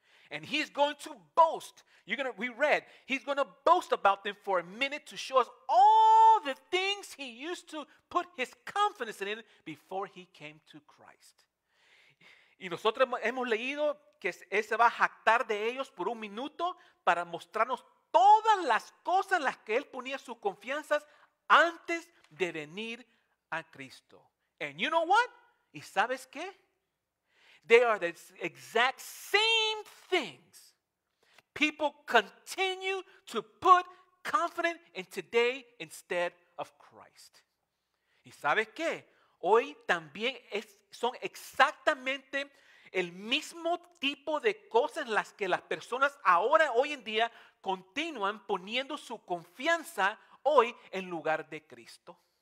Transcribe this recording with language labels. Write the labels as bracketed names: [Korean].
[English] And he's going to boast. He's going to boast about them for a minute to show us all the things he used to put his confidence in before he came to Christ. [Spanish] Y nosotros hemos leído que él se va a jactar de ellos por un minuto para mostrarnos todas las cosas en las que él ponía sus confianzas antes de venir a Cristo. [English] And you know what? [Spanish] ¿Y sabes qué? [English] They are the exact same things people continue to put confidence in today instead of Christ. [Spanish] ¿Y sabes qué? Hoy también son exactamente el mismo tipo de cosas las que las personas ahora, hoy en día, continúan poniendo su confianza hoy en lugar de Cristo.